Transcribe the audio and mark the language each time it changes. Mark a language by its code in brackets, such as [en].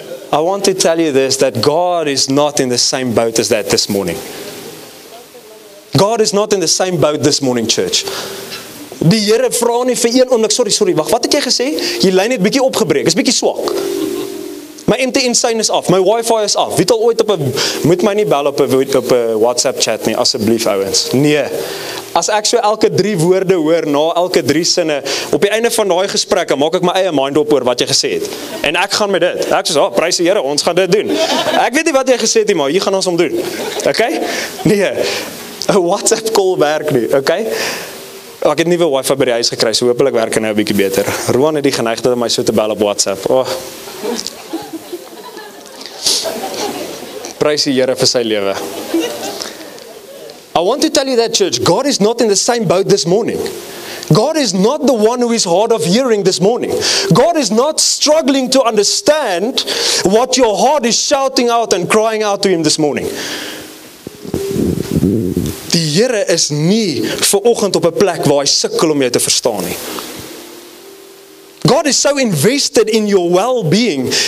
[en] I want to tell you this, that God is not in the same boat as that this morning. God is not in the same boat this morning, church. [af] Die Here vra nie vir een oomblik, sorry, wag, wat het jy gesê? Jy lyn het bietjie opgebreek, is bietjie swak. My MTN sein is af, my wifi is af. Wie het al ooit moet my nie bel op a WhatsApp chat nie, asseblief ouens. Nee, as ek so elke drie woorde hoor, na elke drie sinne, op die einde van die gesprek, maak ek my eie mind op oor wat jy gesê het. En ek gaan met dit. Ek sê, prys die Here, ons gaan dit doen. Ek weet nie wat jy gesê het nie, maar hier gaan ons om doen. Okay? Nee, a WhatsApp call werk nie, okay? Ek het nuwe wifi by die huis gekry, so hoopelik werk hy nou 'n bietjie beter. Roan het die geneigtheid om my so te bel op WhatsApp. Oh. Prys die Here vir sy lewe. [en] I want to tell you that, church, God is not in the same boat this morning. God is not the one who is hard of hearing this morning. God is not struggling to understand what your heart is shouting out and crying out to him this morning. [af] Die Here is nie vanoggend op 'n plek waar hy sukkel om jou te verstaan nie. [en] God is so invested in your well-being.